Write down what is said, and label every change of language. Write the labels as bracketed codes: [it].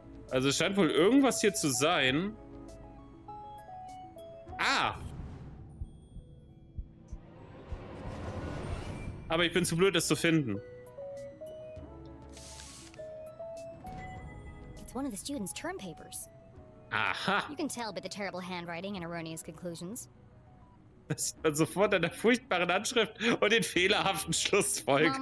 [de] Also es scheint wohl irgendwas hier zu sein. Ah! Aber ich bin zu blöd, das zu finden. [en] One of the students' term papers. Aha. You can tell by the terrible handwriting and erroneous conclusions. [de] Das sieht man sofort an der furchtbaren Anschrift und den fehlerhaften Schlussfolgerungen.